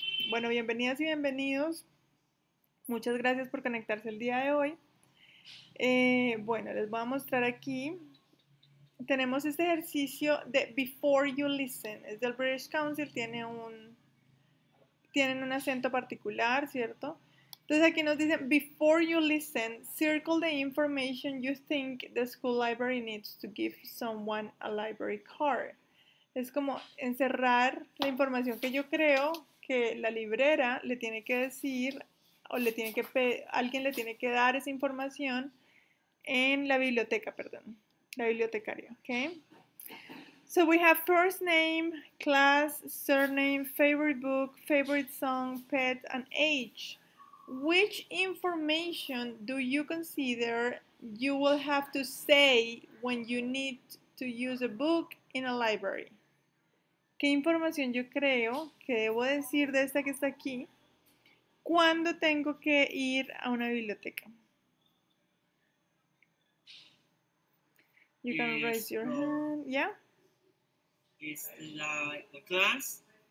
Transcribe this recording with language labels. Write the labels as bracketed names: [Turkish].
[Spanish] Bueno, bienvenidas y bienvenidos. Muchas gracias por conectarse el día de hoy. Bueno, les voy a mostrar aquí. Tenemos este ejercicio de Before You Listen. Es del British Council, tienen un acento particular, ¿cierto? Entonces aquí nos dicen, [English] Before you listen, circle the information you think the school library needs to give someone a library card. [Spanish] Es como encerrar la información que yo creo que la librera le tiene que decir o le tiene que pedir, alguien le tiene que dar esa información en la biblioteca, perdón, la bibliotecaria, ¿okay? [English] So we have first name, class, surname, favorite book, favorite song, pet, and age. Which information do you consider you will have to say when you need to use a book in a library? [Spanish] ¿Qué información yo creo que debo decir de esta que está aquí cuando tengo que ir a una biblioteca? [English] You can raise your hand, yeah? Is the class,